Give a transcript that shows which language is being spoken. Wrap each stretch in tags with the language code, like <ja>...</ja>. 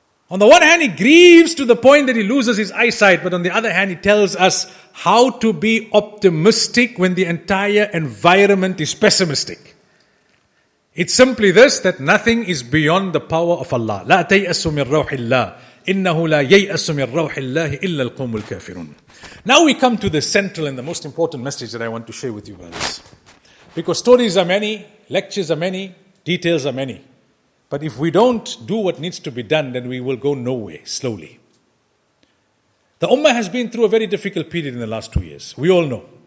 <en>On the one hand, he grieves to the point that he loses his eyesight. But on the other hand, he tells us how to be optimistic when the entire environment is pessimistic. It's simply this, that nothing is beyond the power of Allah.</en> <ar>لا تيأس من روح الله إنه لا ييأس من روح الله إلا القوم الكافرون.</ar> <en>Now we come to the central and the most important message that I want to share with you, brothers. Because stories are many, lectures are many, details are many. But if we don't do what needs to be done, then we will go nowhere, slowly. The Ummah has been through a very difficult period in the last 2 years. We all know.</en>